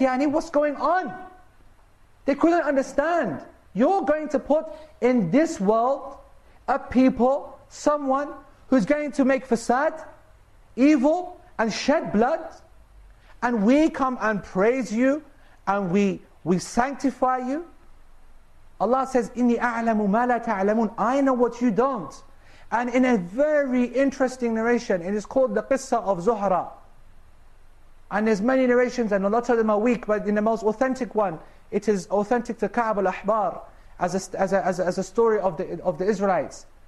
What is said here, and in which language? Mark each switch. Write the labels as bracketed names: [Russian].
[English] يعني what's going on? They couldn't understand. You're going to put in this world a people, someone who's going to make fasad, evil, and shed blood, and we come and praise you, and we sanctify you. [Arabic] Allah says, إِنِّي أَعْلَمُ مَا لَا تَعْلَمُونَ. [English] I know what you don't. And in a very interesting narration, it is called the Qissa of Zuhra. And there's many narrations, and a lot of them are weak, but in the most authentic one, it is authentic to Ka'b al-Ahbar, as a story of the Israelites.